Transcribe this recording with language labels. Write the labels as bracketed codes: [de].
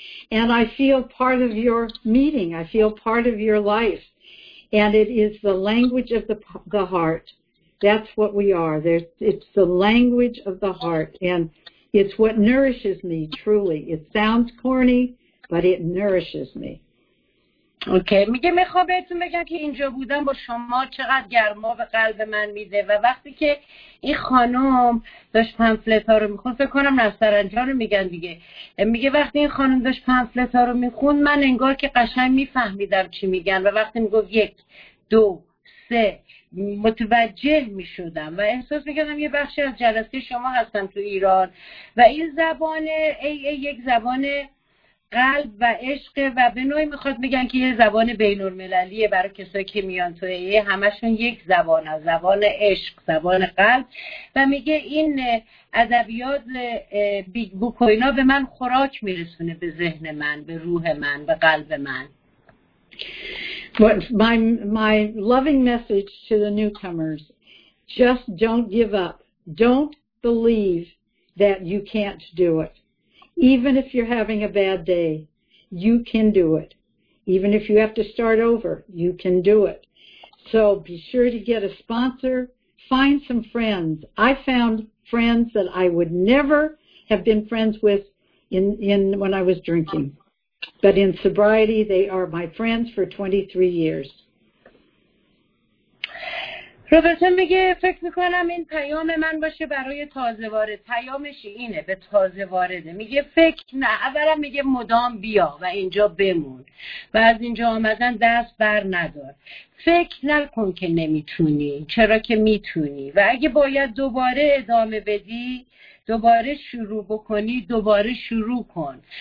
[en] And I feel part of your meeting. I feel part of your life. And it is the language of the heart. That's what we are. It's the language of the heart. And it's what nourishes me, truly. It sounds corny, but it nourishes me. [fa] اوکی میگه میخوام بهتون بگم که اینجا بودن با شما چقدر گرما به قلب من میده و وقتی که این خانم داشت پمفلت ها رو میخوند فکر کنم نسترنجان رو میگن دیگه میگه وقتی این خانم داشت پمفلت ها رو میخوند من انگار که قشنگ میفهمیدم چی میگن و وقتی میگفت 1, 2, 3 متوجه میشدم و احساس میکردم یه بخشی از جلسه شما هستم تو ایران و این زبان ای یک زبان قلب و عشق و به نوعی میخواد میگن که یه زبان بین المللیه برای کسایی که میان توی همشون یک زبان هست، زبان عشق، زبان قلب. و میگه این ادبیات بیگ بوک و اینا به من خوراک میرسونه، به ذهن من، به روح من، به قلب من. [en] My loving message to the newcomers: just don't give up. Don't believe that you can't do it. Even if you're having a bad day, you can do it. Even if you have to start over, you can do it. So be sure to get a sponsor. Find some friends. I found friends that I would never have been friends with in when I was drinking. But in sobriety, they are my friends for 23 years. [fa] روبرتون میگه فکر میکنم این پیام من باشه برای تازه وارد. پیامش اینه به تازه وارده، میگه فکر نه، اولا میگه مدام بیا و اینجا بمون و از اینجا آمدن دست بر ندار. فکر نکن که نمیتونی، چرا که میتونی، و اگه باید دوباره ادامه بدی، دوباره شروع بکنی، دوباره شروع کن.